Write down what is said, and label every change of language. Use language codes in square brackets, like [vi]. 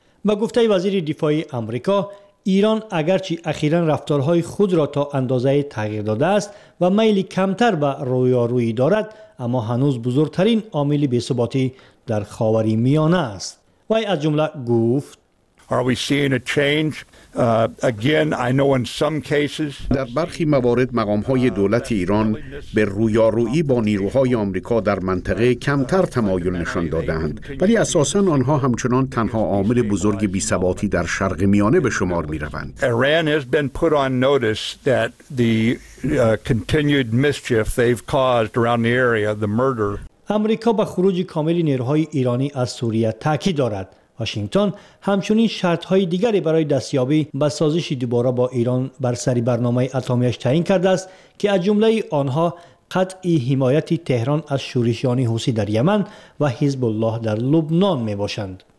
[fa] با گفته وزیر دفاع آمریکا، ایران اگرچه اخیراً رفتارهای خود را تا اندازه تغییر داده است و میل کمتر به رویارویی دارد، اما هنوز بزرگترین عامل بی‌ثباتی در خاورمیانه است. وی از جمله گفت: [en] Are we seeing a change? Again, I know in some cases. [fa] در برخی موارد مقام‌های دولت ایران به رویارویی با نیروهای آمریکا در منطقه کمتر تمایل نشان دادند، ولی اساساً آنها همچنان تنها عامل بزرگ بی‌ثباتی در شرق میانه به شمار می‌روند. [en] Iran has been put on notice that the continued mischief they've caused around the area, the murder. [fa] آمریکا با خروج کامل نیروهای ایرانی از سوریه تاکید دارد. واشنگتن همچنین شرط‌های دیگری برای دستیابی به سازش دوباره با ایران بر سری برنامه اتمی‌اش تعیین کرده است که از جمله آنها قطع حمایت تهران از شورشیان حوثی در یمن و حزب الله در لبنان میباشند.